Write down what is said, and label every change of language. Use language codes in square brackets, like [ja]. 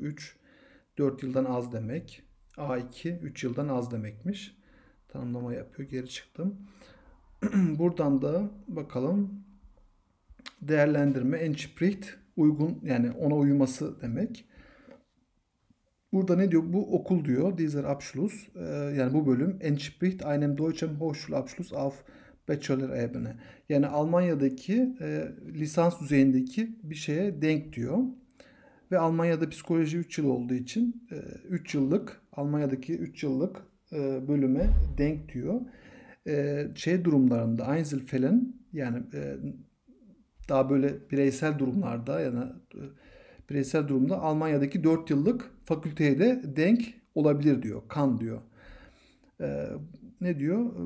[tr] 3, 4 yıldan az demek. A2, 3 yıldan az demekmiş. Tanımlama yapıyor. Geri çıktım. Buradan da bakalım. Değerlendirme. Entspricht. Uygun yani ona uyuması demek. Burada ne diyor? Bu okul diyor. [de] Dieser Abschluss. [tr] Yani bu bölüm. [de] Entspricht einem deutschen Hochschulabschluss auf Bachelor Ebene. [tr] Yani Almanya'daki lisans düzeyindeki bir şeye denk diyor. Ve Almanya'da psikoloji 3 yıl olduğu için 3 yıllık Almanya'daki 3 yıllık bölüme denk diyor. Şey durumlarında Einzelfällen yani daha böyle bireysel durumlarda yani bireysel durumda Almanya'daki 4 yıllık fakülteye de denk olabilir diyor. Kan diyor. Ne diyor?